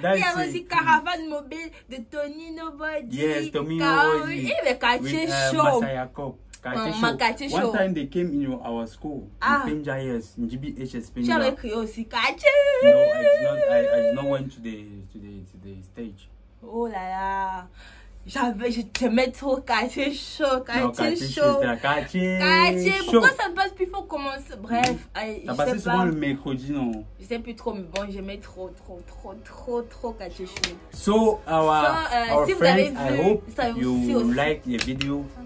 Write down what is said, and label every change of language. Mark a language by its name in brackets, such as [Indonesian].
[French] Il y a aussi Caravan Mobile de Tony Nobody. [English] Yes, Tony Nobody. [French] Et le Cartier show. Masai Yakob. [English] Cartier show. One time they came in our school. Ah. In Benja, yes. In GBHS [French] Benja. Tu avais crié aussi Cartier. [English] No, I did not went to the stage. [French] Oh là là, j'aimais trop Cartier Show. Pourquoi ça ne passe plus faut commencer. Bref, ça passait souvent le mercredi, non? Je sais plus trop, mais bon, j'aimais trop Cartier Show. [English] So, our friends, I hope you like the video.